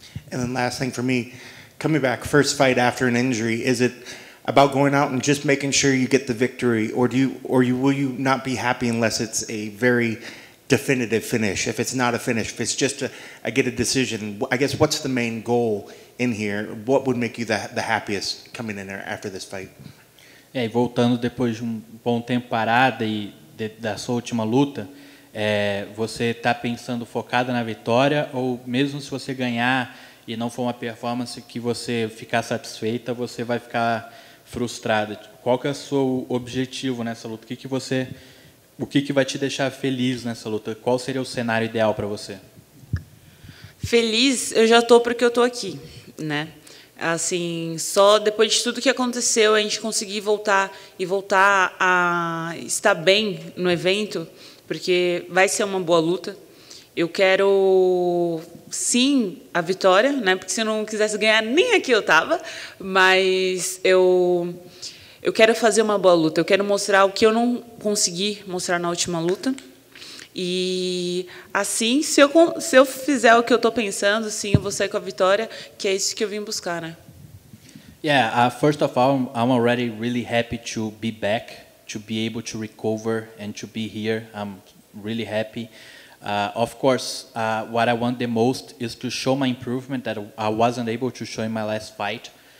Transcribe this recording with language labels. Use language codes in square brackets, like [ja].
[en] And then last thing for me, coming back, first fight after an injury, is it about going out and just making sure you get the victory, or will you not be happy unless it's a very definitive finish? If it's not a finish, if it's just I get a decision, I guess what's the main goal in here? What would make you the happiest coming in there after this fight? [pt] É, voltando depois de bom tempo parada e da sua última luta, você está pensando focada na vitória, ou mesmo se você ganhar e não for uma performance que você ficar satisfeita, você vai ficar frustrada? Qual que é o seu objetivo nessa luta? O que vai te deixar feliz nessa luta? Qual seria o cenário ideal para você? Feliz, eu já estou porque eu estou aqui, né? Assim, só depois de tudo que aconteceu, a gente conseguir voltar a estar bem no evento, porque vai ser uma boa luta. Eu quero, sim, a vitória, né? Porque se eu não quisesse ganhar, nem aqui eu estava. Mas eu quero fazer uma boa luta. Eu quero mostrar o que eu não consegui mostrar na última luta. E, assim, se eu fizer o que eu estou pensando, sim, eu vou sair com a vitória, que é isso que eu vim buscar, né? [en] Yeah, first of all, I'm already really happy to be back, to be able to recover and to be here. I'm really happy. Of course, what I want the most is to show my improvement that I wasn't able to show in my last fight.